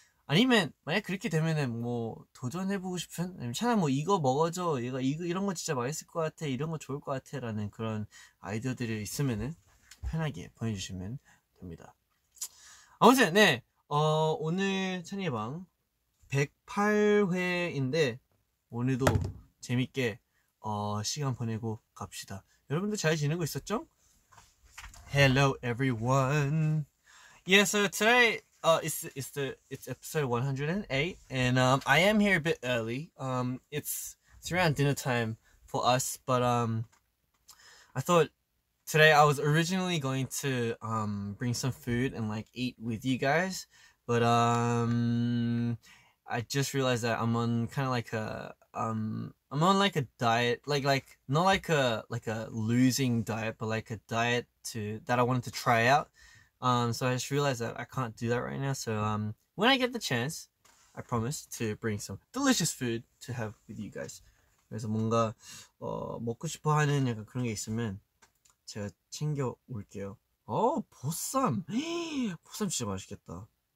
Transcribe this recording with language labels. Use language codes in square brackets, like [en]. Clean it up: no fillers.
[ko] 아니면 만약 그렇게 되면은 뭐 도전해보고 싶은 차라리 뭐 이거 먹어줘, 얘가 이거 이런 거 진짜 맛있을 것 같아, 이런 거 좋을 것 같아라는 그런 아이디어들이 있으면은 편하게 보내주시면 됩니다. 아무튼 네, 오늘 찬이의 방 108회인데 오늘도 재밌게 시간 보내고 갑시다. 여러분들 잘 지내고 있었죠? [en] Hello everyone. Yeah, so today it's episode 108 and I am here a bit early. It's around dinner time for us, but I thought today I was originally going to bring some food and like eat with you guys, but I just realized that I'm on kind of like a I'm on like a diet, like not like a losing diet, but like a diet that I wanted to try out. So I just realized that I can't do that right now. So when I get the chance, I promise to bring some delicious food to have with you guys. [ko] 그래서 뭔가 먹고 싶어하는 약간 그런 게 있으면 제가 챙겨 올게요. 어 보쌈, 보쌈 진짜 맛있겠다.